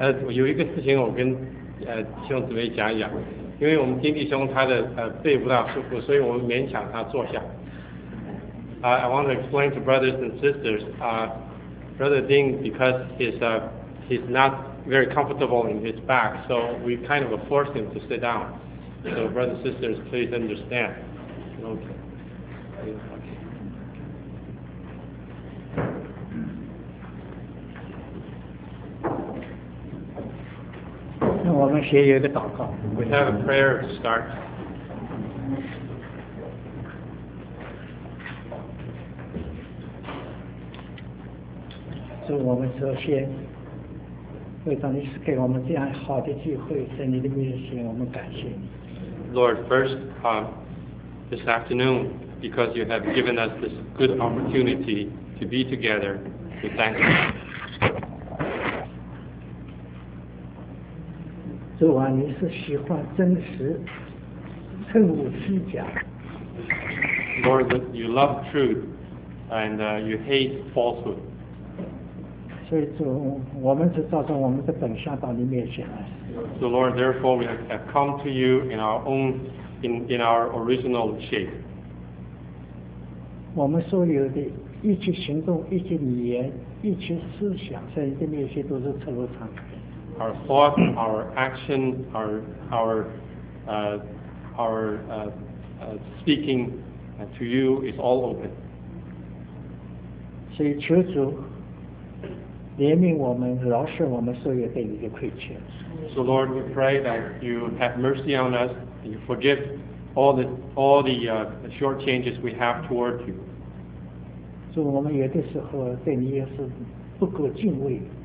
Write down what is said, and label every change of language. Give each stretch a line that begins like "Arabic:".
Chinese: 有一个事情我跟弟兄姊妹讲一讲，因为我们经弟兄他的背不大舒服，所以我们勉强他坐下。
English: I want to explain to brothers and sisters, Brother Ding, because he's not very comfortable in his back, so we kind of forced him to sit down. So brothers and sisters, please understand. Okay. We have a prayer to start.
Chinese: So, 我们首先，会上帝赐给我们这样好的机会，在你的面前，我们感谢你。
English: Lord, first, this afternoon, because you have given us this good opportunity to be together, we thank you.
Chinese: 主啊，你是喜欢真实，称无虚假。
English: Lord, you love truth, and you hate falsehood.
Chinese: 所以主，我们是照着我们的本相到你面前来。
English: So Lord, therefore we have come to you in our own, in our original shape.
Chinese: 我们所有的一切行动、一切语言、一切思想，在你的面前都是赤裸敞开。
English: Our thought, our action, our speaking to you is all open.
Chinese: 所以求主怜悯我们，饶恕我们所有对你的亏欠。
English: So Lord, we pray that you have mercy on us, and you forgive all the shortchanges we have toward you.
Chinese: 主，我们有的时候对你也是不够敬畏。